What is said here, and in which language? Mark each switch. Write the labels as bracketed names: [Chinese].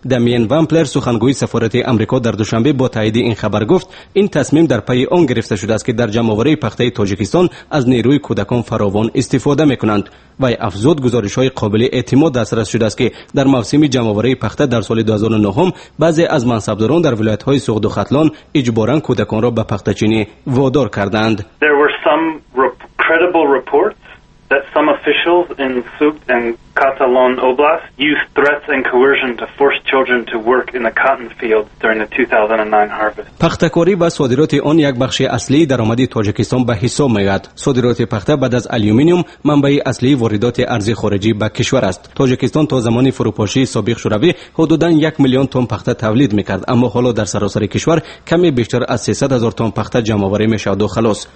[Persian] دامین وامپلر سخنگوی سفارت آمریکا در دوشنبه با تایید این خبر گفت این تصمیم در پی آن گرفته شده است که در جمع‌آوری پخته تاجیکستان از نیروی کودکان فراوان استفاده میکنند. و افزود گزارش‌های قابل اعتماد دسترس شده است که در موسم جمع‌آوری پخته در سال 2009 بعضی از منصبداران در ولایت‌های سغد و ختلان اجباراً کودکان را به پخته‌چینی وادار کردند. [English] There were some credible reports that some officials in Sub and Catalan Oblast used threats and coercion to force children to work in the cotton fields during the 2009 harvest. [Persian] پختکاری با صادرات آن یک بخش اصلی درآمدی تاجیکستان به حساب میآید. صادرات پخته بعد از الومینیوم منبع اصلی واردات ارزی خارجی به کشور است. تاجیکستان تا زمان فروپاشی سابق شوروی حدوداً 1,000,000 تن پخته تولید میکرد، اما حالا در سراسر کشور کمی بیشتر از 300,000 تن پخته جمع‌آوری میشود و خلاص.